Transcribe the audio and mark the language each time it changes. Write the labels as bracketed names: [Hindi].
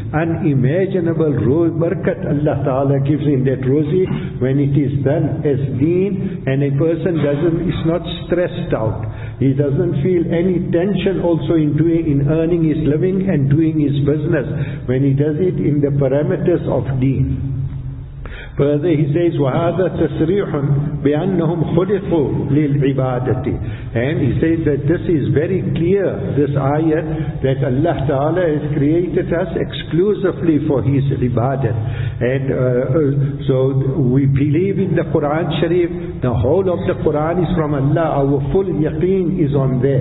[English] Unimaginable barakat Allah Ta'ala gives in that rozi when it is done as deen, and a person is not stressed out. He doesn't feel any tension also in earning his living and doing his business when he does it in the parameters of deen. Further, he says, [Arabic] وَهَذَا تَسْرِيحٌ بِأَنَّهُمْ خُلِقُوا لِلْعِبَادَةِ. [English] And he says that this is very clear, this ayat, that Allah Ta'ala has created us exclusively for His ibadat. And so we believe in the Quran Sharif. The whole of the Quran is from Allah. Our full yaqeen is on there.